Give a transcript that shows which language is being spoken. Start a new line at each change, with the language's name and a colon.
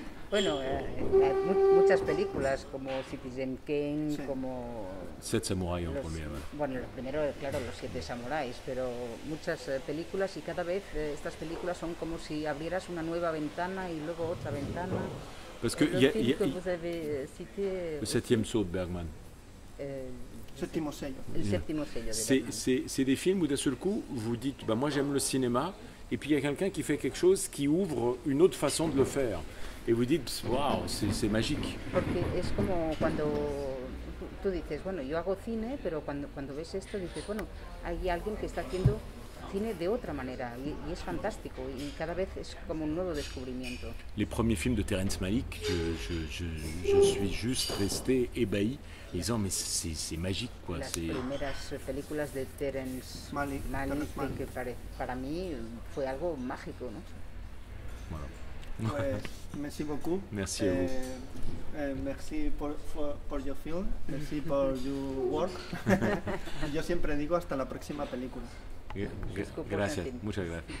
Spanish: Bueno, muchas películas como Citizen Kane, sí. Como
French: Sept Samouraïs en premier.
Spanish: Bueno, lo primero, claro, Los Siete Samuráis, pero muchas películas, y cada vez estas películas son como si abrieras una nueva ventana y luego otra ventana.
French: Parce que le septième saut de Bergman. Septième sello. C'est des films où d'un seul coup vous dites: bah, moi j'aime le cinéma. Et puis il y a quelqu'un qui fait quelque chose qui ouvre une autre façon de le faire. Et vous dites: waouh, c'est magique. Parce que c'est comme quand tu dis:
Spanish: bueno, yo hago cine, pero cuando ves esto, dices: bueno, hay alguien que está haciendo cine de otra manera. Y es fantástico. Y cada vez es como un nuevo descubrimiento.
French: Les premiers films de Terrence Malick, je suis juste resté ébahi. Disant: mais c'est magique, quoi. Les premières
Spanish: películas de Terrence Malick, que para mí fue algo mágico, ¿no?
French: Voilà.
Spanish: Pues,
French: merci beaucoup. Merci à vous. Merci pour
English: your film,
French: merci pour
English: your work.
Spanish: Yo siempre digo hasta la próxima película. Gracias, muchas gracias.